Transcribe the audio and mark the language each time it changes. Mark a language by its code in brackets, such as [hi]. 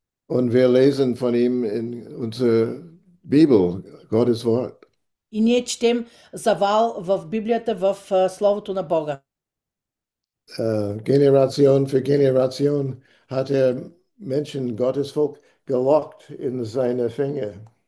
[de] Und wir lesen von ihm in unserer Bibel, Gottes Wort. [bg] И ние четем за Ваал в Библията, в Словото на Бога. [de] Generation für Generation hat er Menschen, Gottes Volk, gelockt in seine Fänge.